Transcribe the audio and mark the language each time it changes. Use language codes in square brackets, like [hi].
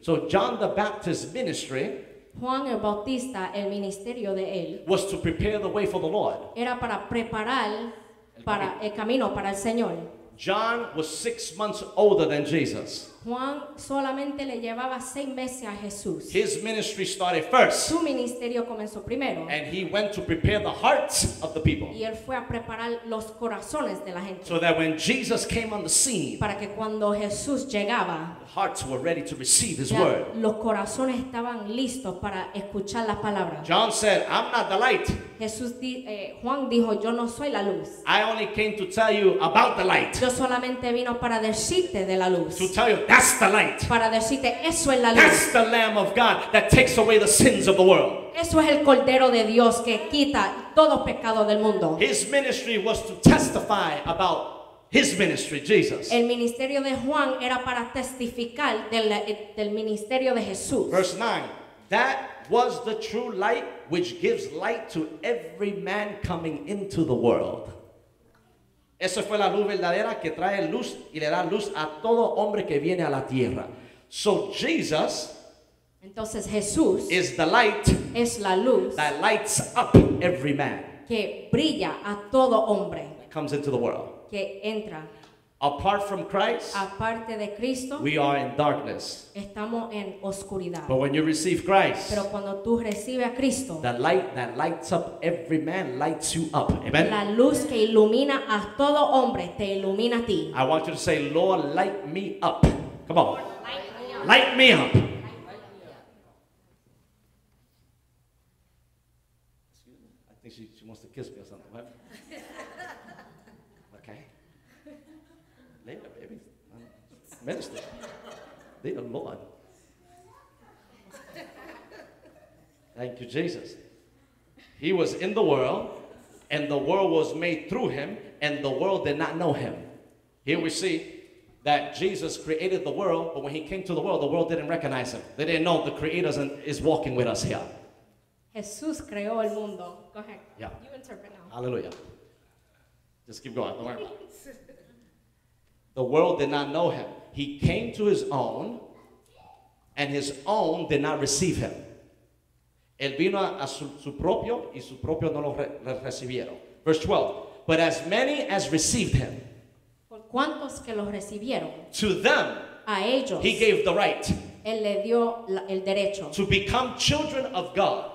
[en] So John the Baptist's ministry, [es] Juan el Bautista, el ministerio de él, [en] was to prepare the way for the Lord. [es] Era para preparar para el camino para el Señor. [en] John was 6 months older than Jesus. [es] Juan solamente le llevaba 6 meses a Jesús. [en] His ministry started first. [es] Su ministerio comenzó primero. [en] And he went to prepare the hearts of the people. [es] Y él fue a preparar los corazones de la gente. [en] So that when Jesus came on the scene, [es] para que cuando Jesús llegaba, [en] hearts were ready to receive his word. [es] Los corazones estaban listos para escuchar la palabra. [en] John said, I'm not the light. [es] Jesús Juan dijo, yo no soy la luz. [en] I only came to tell you about the light. [es] Yo solamente vino para decirte de la luz. [en] To tell you, that's the light. [es] Para decirte, eso es la luz. [en] That's the Lamb of God that takes away the sins of the world. [es] Eso es el Cordero de Dios que quita todo pecado del mundo. [en] His ministry was to testify about His ministry, Jesus. [es] El ministerio de Juan era para testificar del ministerio de Jesús. [en] Verse 9. That was the true light which gives light to every man coming into the world. [es] Esa fue la luz verdadera que trae luz y le da luz a todo hombre que viene a la tierra. [en] So Jesus, [es] entonces Jesús, [en] is the light, [es] es la luz, [en] that lights up every man, [es] que brilla a todo hombre, [en] that comes into the world. [es] Que entra. [en] Apart from Christ, [es] aparte de Cristo, [en] we are in darkness. [es] Estamos en oscuridad. [en] But when you receive Christ, [es] pero cuando tú recibes a Cristo, [en] the light that lights up every man lights you up. Amen. [es] La luz que ilumina a todo hombre te ilumina a ti. [en] I want you to say, Lord, light me up. Come on. Light me up. Light me up. I think she wants to kiss me or something. Right? Okay. Leave her, baby. Minister. Leave the Lord. Thank you, Jesus. He was in the world, and the world was made through him, and the world did not know him. Here we see that Jesus created the world, but when he came to the world didn't recognize him. They didn't know the creator is walking with us here. [es] Jesus creó el mundo. [en] Go ahead. Yeah. You interpret now. Hallelujah. Just keep going. Don't worry about it. The world did not know him. He came to his own, and his own did not receive him. [es] Él vino a su propio, y su propio no lo recibieron. [en] Verse 12. But as many as received him, [es] por cuantos que lo recibieron, [en] to them, [es] a ellos, [en] he gave the right, [es] él le dio el derecho, [en] to become children of God,